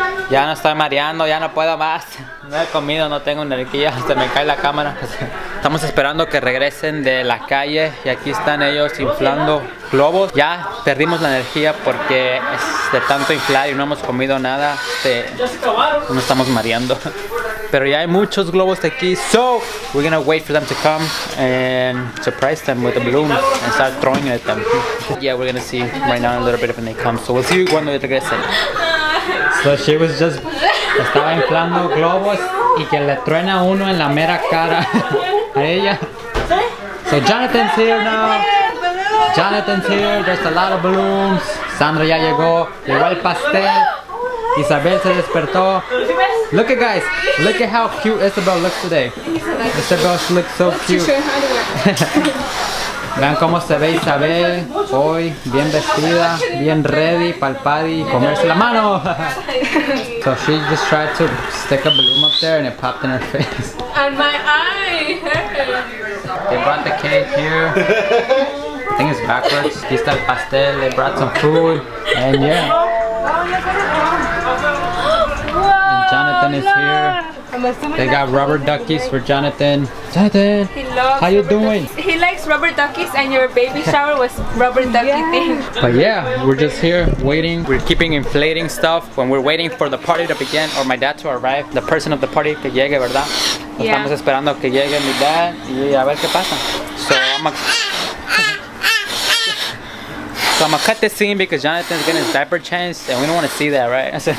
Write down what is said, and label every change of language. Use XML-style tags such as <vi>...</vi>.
<es>Ya no estoy mareando, ya no puedo más. No he comido, no tengo energía. Se me cae la cámara. Estamos esperando que regresen de la calle y aquí están ellos inflando globos. Ya perdimos la energía porque es de tanto inflar y no hemos comido nada. No estamos mareando. Pero ya hay muchos globos aquí,</es> <en>so we're gonna wait for them to come and surprise them with a balloon and start throwing it at them. Yeah, we're gonna see right now in a little bit when they come, so we'll see you</en> <es>cuando regresen.</es> <en>So she was just,</en> <es>estaba inflando globos y que le truena uno en la mera cara a ella.</es> <en>So Jonathan's here now. Jonathan's here, just a lot of balloons.</en> <es>Sandra ya llegó, llegó el pastel. Isabel se despertó.</es> <en>Look at guys, look at how cute Isabel looks today. Isabel looks so cute.</en> <es>Vean cómo se ve Isabel hoy, bien vestida, bien ready para el party, comerse la mano.</es> <en>So she just tried to stick a balloon up there and it popped in her face. And my eye. They brought the cake here. I think it's backwards.</en> <es>Aquí está el pastel,</es> <en>they brought some food. And yeah. Jonathan is here. They got rubber duckies for Jonathan. Jonathan, how you doing? He likes rubber duckies, and your baby shower was rubber ducky thing. But yeah, we're just here waiting. We're keeping inflating stuff when we're waiting for the party to begin or my dad to arrive. The person of the party</en> <es>que llegue, verdad?</es> <en>Yeah.</en> <es>Estamos esperando que llegue mi dad y a ver qué pasa.</es> <en>So I'm So I'm gonna cut this scene because Jonathan's getting his diaper changed and we don't want to see that, right?</en>